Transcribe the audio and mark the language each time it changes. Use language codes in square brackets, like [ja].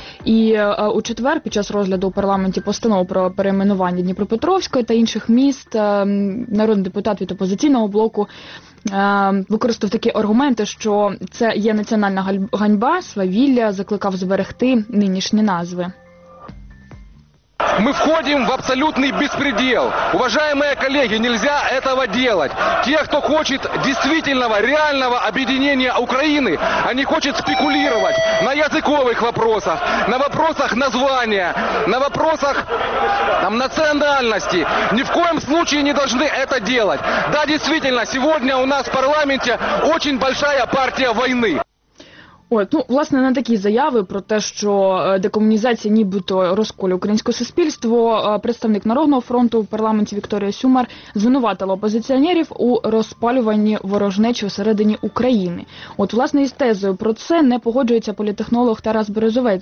[uk] І у четвер, під час розгляду у парламенті постанови про перейменування Дніпропетровської та інших міст, народний депутат від опозиційного блоку використав такі аргументи, що це є національна ганьба, свавілля, закликав зберегти нинішні назви. [ru] Мы входим в абсолютный беспредел. Уважаемые коллеги, нельзя этого делать. Те, кто хочет действительного, реального объединения Украины, они хотят спекулировать на языковых вопросах, на вопросах названия, на вопросах там, национальности. Ни в коем случае не должны это делать. Да, действительно, сегодня у нас в парламенте очень большая партия войны. [uk] От, ну, власне, на такі заяви про те, що декомунізація нібито розколює українське суспільство, представник Народного фронту у парламенті Вікторія Сюмар звинуватила опозиціонерів у розпалюванні ворожнечі всередині України. От, власне, із тезою про це не погоджується політехнолог Тарас Березовець.